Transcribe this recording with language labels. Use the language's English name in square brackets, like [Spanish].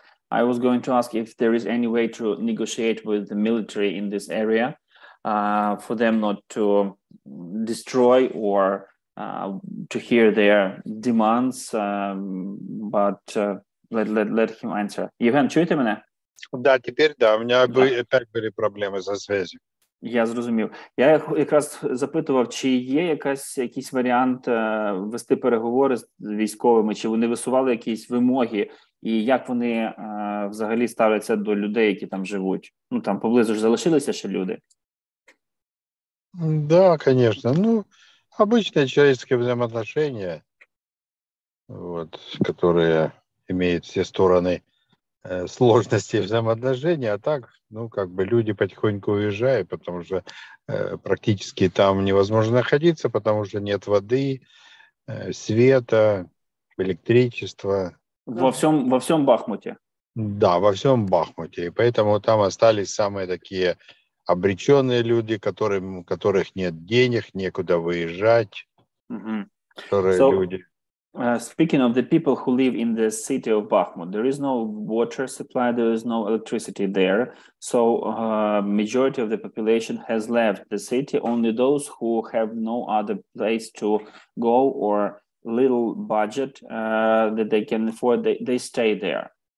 [English] I was going to ask if there is any way to negotiate with the military in this area for them not to destroy or to hear their demands, but let him answer. [Ukrainian] Євген, чуєте мене? Да, тепер, да, у мене опять були проблеми зі зв'язком. Я зрозумів. Я якраз запитував, чи є якийсь варіант вести переговори з військовими, чи вони висували якісь вимоги, і як вони взагалі ставляться до людей, які там живуть. Ну, там поблизу ж залишилися ще люди. [Russian] Да, конечно. Ну, обычные человеческие взаимоотношения, вот, которые имеют все стороны сложности взаимоотношений, а так, ну, как бы люди потихоньку уезжают, потому что практически там невозможно находиться, потому что нет воды, света, электричества. Во всем Бахмуте. Да, во всем Бахмуте. И поэтому там остались самые такие обреченные люди, которых нет денег, некуда выезжать. Mm-hmm. [English] Speaking of the people who live in the city of Bakhmut, there is no water supply, there is no electricity there. So majority of the population has left the city. Only those who have no other place to go or little budget that they can afford, they stay there.